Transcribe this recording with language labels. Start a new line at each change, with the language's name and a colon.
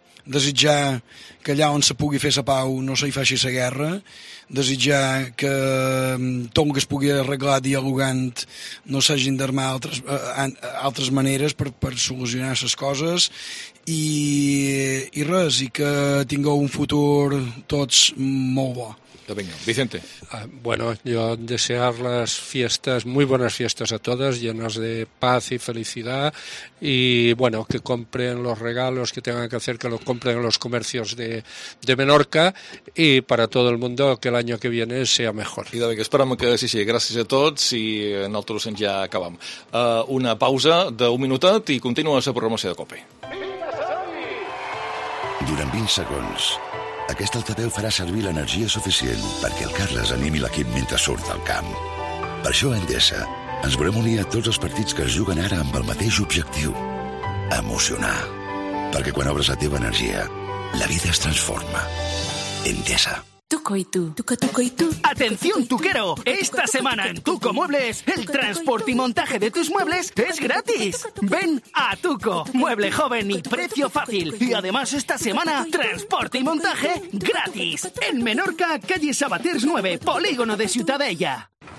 Catalan: Desitjar que allà on se pugui fer la pau no se hi faci la guerra, desitjar que tot el que es pugui arreglar dialogant no s'hagin d'armar altres maneres per solucionar les coses, i res, i que tingueu un futur tots molt bo.
Spanish: Venga, Vicente. Bueno, yo desear las fiestas, muy buenas fiestas a todas, llenas de paz y felicidad, y bueno, que compren los regalos que tengan que hacer, que los compren en los comercios de Menorca, y para todo el mundo que el año que viene sea mejor.
Catalan: I també, que esperem que sí, gràcies a tots, i nosaltres ens ja acabem. Una pausa d'un minutet i continua la programació de Cope. Durant 20 segons... Aquest altaveu farà servir l'energia suficient perquè el Carles animi l'equip mentre surt al camp. Per això a Endesa ens volem unir a tots els partits que es juguen ara amb el mateix objectiu, emocionar. Perquè quan obres la teva energia, la vida es transforma. Endesa.
Spanish: Tuco y tú, tuco, tuco y tú. Atención, tuquero. Esta semana en Tuco Muebles, el transporte y montaje de tus muebles es gratis. Ven a Tuco, mueble joven y precio fácil. Y además esta semana, transporte y montaje gratis. En Menorca, calle Sabaters 9, polígono de Ciutadella.